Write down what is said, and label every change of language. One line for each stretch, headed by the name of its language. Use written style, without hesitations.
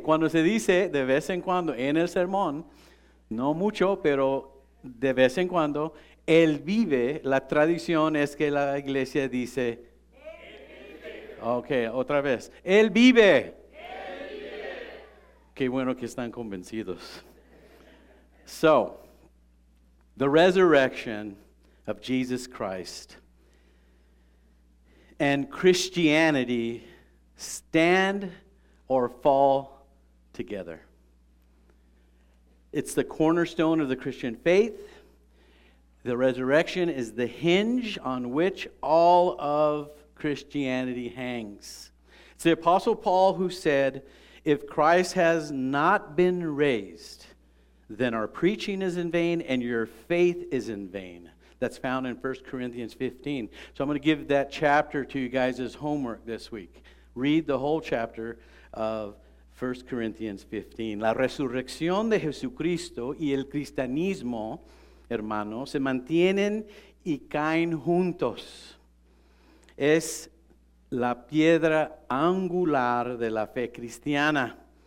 Spanish: Cuando se dice de vez en cuando en el sermón, no mucho, pero de vez en cuando, él vive, la tradición es que la iglesia dice, él vive. Ok, otra vez, él vive. Él vive. Qué bueno que están convencidos.
English: So, the resurrection of Jesus Christ and Christianity stand or fall together. It's the cornerstone of the Christian faith. The resurrection is the hinge on which all of Christianity hangs. It's the Apostle Paul who said, if Christ has not been raised, then our preaching is in vain and your faith is in vain. That's found in 1 Corinthians 15. So I'm going to give that chapter to you guys as homework this week. Read the whole chapter of 1 Corinthians 15.
Spanish: La resurrección de Jesucristo y el cristianismo, hermanos, se mantienen y caen juntos. Es la piedra angular de la fe cristiana.